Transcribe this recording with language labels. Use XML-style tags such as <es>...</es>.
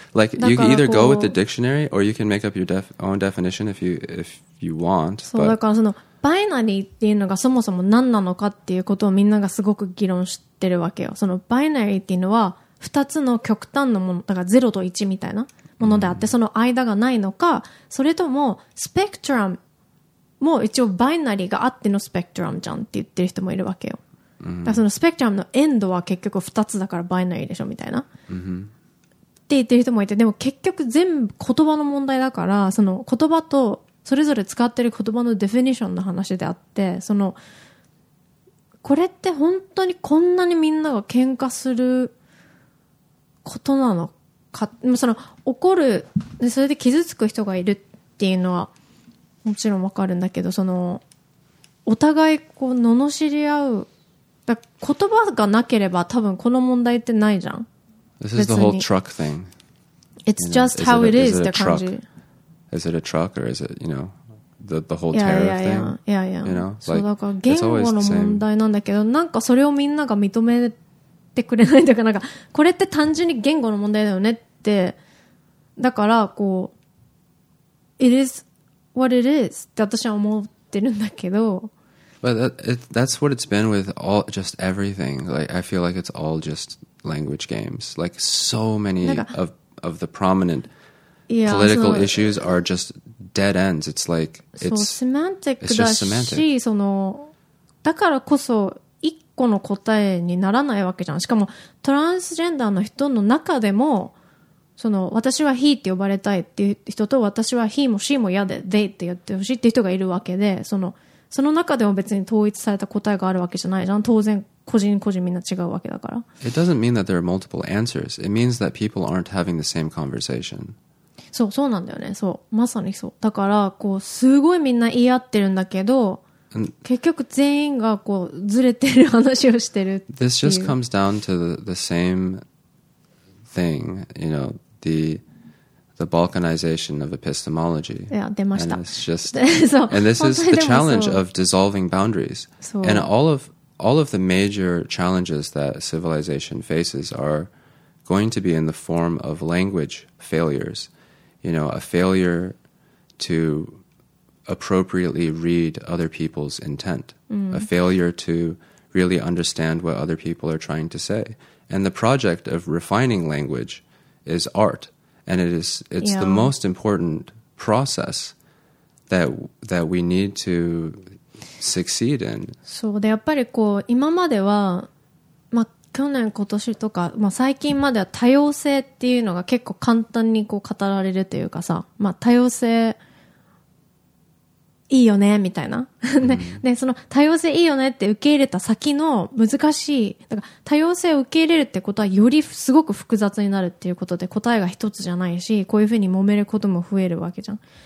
<en>Like, you can either go with the dictionary or you can make up your own definition if you want.</en> <ja>そう、だからその、バイナリーっていうのがそもそも何なのかっていうことをみんながすごく議論してるわけよ。そのバイナリーっていうのは2つの極端のもの、だから0と1みたいなものであって、その間がないのか、それともスペクトラム、もう一応バイナリーがあってのスペクトラムじゃんって言ってる人もいるわけよ、mm-hmm. だからそのスペクトラムのエンドは結局2つだからバイナリーでしょみたいな、 mm-hmm. って言ってる人もいて、でも結局全部言葉の問題だから、その言葉とそれぞれ使ってる言葉のデフィニションの話であって、そのこれって本当にこんなにみんなが喧嘩することなのか、その怒るでそれで傷つく人がいるっていうのはもちろんわかるんだけど、そのお互いこう罵り合う、だから言葉がなければ多分この問題ってないじゃん。</ja> <en>This is the whole truck thing. It's just how it is</en> <ja>って感じ。</ja> <en>Is it a truck or is it, you know, the whole tariff thing? Yeah. You know, like, そうだから言語の問題なんだけど、なんかそれをみんなが認めてくれないというか、なんかこれって単純に言語の問題だよねって、だからこう It isWhat it is って私は思ってるんだけど、 But that's what it's been with all, just everything. Like, I feel like it's all just language games. Like, so many of the prominent political issues are just dead ends. It's like it's just semantic. It's just semantic. そのだからこそ一個の答えにならないわけじゃん。しかもトランスジェンダーの人の中でも、その私は he って呼ばれたいっていう人と、私は he も she も嫌で they って言ってほしいって人がいるわけで、その中でも別に統一された答えがあるわけじゃないじゃん。当然個人個人みんな違うわけだから。 It doesn't mean that there are multiple answers. It means that people aren't having the same conversation. そう、そうなんだよね。そう、まさにそう。だからこうすごいみんな言い合ってるんだけど、結局全員がこうずれてる話をしてるっていう。 This just comes down to the sameThing, you know, the balkanization of epistemology.</en> <ja>Yeah, 出ました。</ja> <en>And it's just, and this is the challenge of dissolving boundaries. And all of the major challenges that civilization faces are going to be in the form of language failures. You know, a failure to appropriately read other people's intent. A failure to really understand what other people are trying to say. And the project of refining language is art, and it's the most important process that we need to succeed in.</en> <ja>そうで、やっぱりこう今までは、まあ、去年今年とか、まあ、最近までは多様性っていうのが結構簡単にこう語られるというかさ、まあ、多様性いいよねみたいな。で、その多様性いいよねって受け入れた先の難しい、だから多様性を受け入れるってことはよりすごく複雑になるっていうことで、答えが一つじゃないし、こういうふうに揉めることも増えるわけじゃん。</ja>